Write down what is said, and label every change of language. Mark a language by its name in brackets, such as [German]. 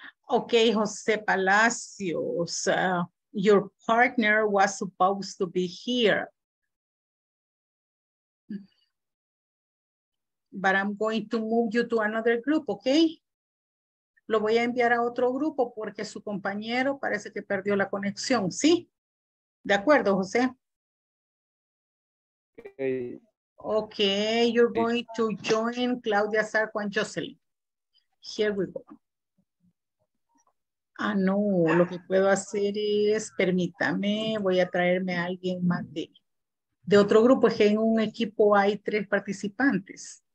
[English] Okay, Jose Palacios, your partner was supposed to be here. But I'm going to move you to another group, okay? [Spanish] Lo voy a enviar a otro grupo porque su compañero parece que perdió la conexión, ¿sí? De acuerdo, José. [English] Okay, you're going to join Claudia, Sarco, and Jocelyn. Here we go. [Spanish] Ah, no, lo que puedo hacer es, permítame, voy a traerme a alguien más de otro grupo, es que en un equipo hay 3 participantes.